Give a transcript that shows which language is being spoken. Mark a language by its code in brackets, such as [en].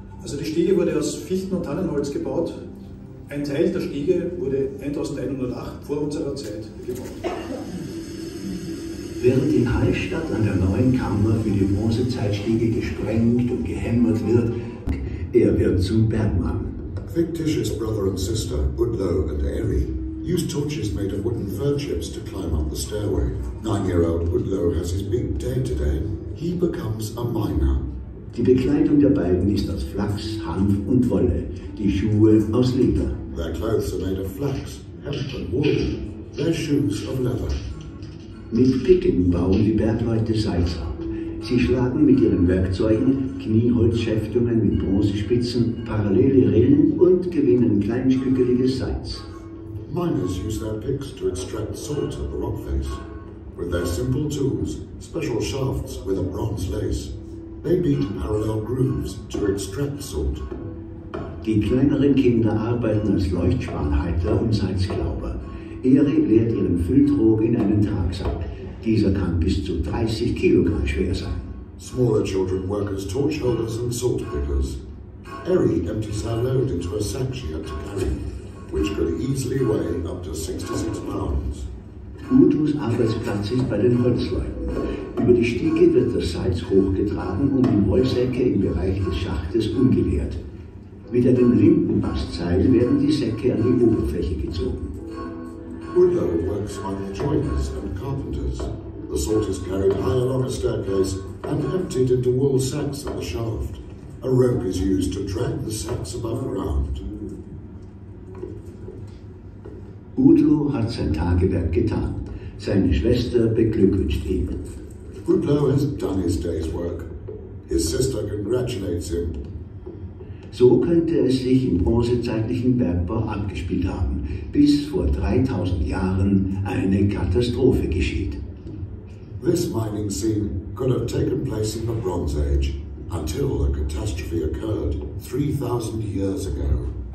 [de] Also die Stiege wurde aus Fichten- und Tannenholz gebaut. Ein Teil der Stiege wurde 1108 vor unserer Zeit gebaut. Während in Hallstatt an der neuen Kammer für die Bronzezeitstiege gesprengt und gehämmert wird, er wird zum Bergmann. [en] Fictitious brother and sister, Woodlow and Airy, use torches made of wooden fir chips to climb up the stairway. 9-year-old Woodlow has his big day today. He becomes a miner. [de] Die Bekleidung der beiden ist aus Flachs, Hanf und Wolle. Die Schuhe aus Leder. [en] Their clothes are made of flax, hemp and wool. Their shoes of leather. [de] Mit Picken bauen die Bergleute Salz ab. Sie schlagen mit ihren Werkzeugen Knieholzschäftungen mit Bronzespitzen, parallele Rillen und gewinnen kleinstückeliges Salz. [en] Miners use their picks to extract salt at the rock face. With their simple tools, special shafts with a bronze lace, they beat parallel grooves to extract salt. [de] Die kleineren Kinder arbeiten als Leuchtspanhalter und Salzglauber. Eri leert ihren Fülltrog in einen Tragsack. Dieser kann bis zu 30 Kilogramm schwer sein. [en] Smaller children work as torch holders and salt pickers. Eri empties her load into a sack she had to carry, which could easily weigh up to 66 pounds. [de] Udos Arbeitsplatz ist bei den Holzleuten. Über die Stiege wird das Salz hochgetragen und die Wollsäcke im Bereich des Schachtes umgeleert. Mit einem linken Bastseil werden die Säcke an die Oberfläche gezogen. [en] Udo works among the joiners and carpenters. The salt is carried high along a staircase and emptied into wool sacks at the shaft. A rope is used to drag the sacks above ground. [de] Udo hat sein Tagewerk getan. Seine Schwester beglückwünscht ihn. [en] Udo has done his day's work. His sister congratulates him. [de] So könnte es sich im bronzezeitlichen Bergbau abgespielt haben, bis vor 3000 Jahren eine Katastrophe geschieht. [en] This mining scene could have taken place in the Bronze Age until a catastrophe occurred 3000 years ago.